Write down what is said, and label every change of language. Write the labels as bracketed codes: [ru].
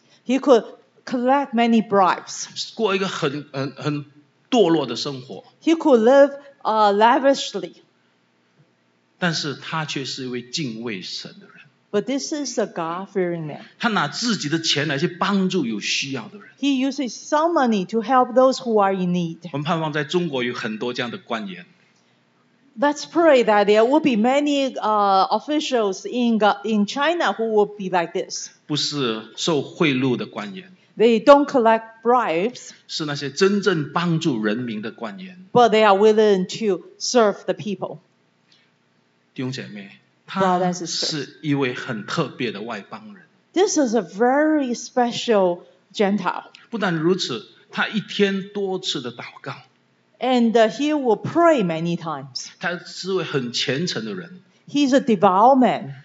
[en] He could collect many bribes. [zh] 过一个很堕落的生活。 [en] He could live lavishly. [zh] 但是他却是一位敬畏神的人。 [en] But this is a God-fearing man. [zh] 他拿自己的钱来去帮助有需要的人。 [en] He uses some money to help those who are in need. [zh] 我们盼望在中国有很多这样的官员。 [en] Let's pray that there will be many officials in China who will be like this. [zh] 不是受贿赂的官员。 [en] They don't collect bribes. [zh] 是那些真正帮助人民的官员。 [en] But they are willing to serve the people. [zh] 弟兄姐妹， [en] brothers and sisters. [zh] 他是一位很特别的外邦人。 [en] This is a very special Gentile. [zh] 不但如此，他一天多次的祷告。 [en] And he will pray many times. [zh] 他是位很虔诚的人。 [en] He's a devout man.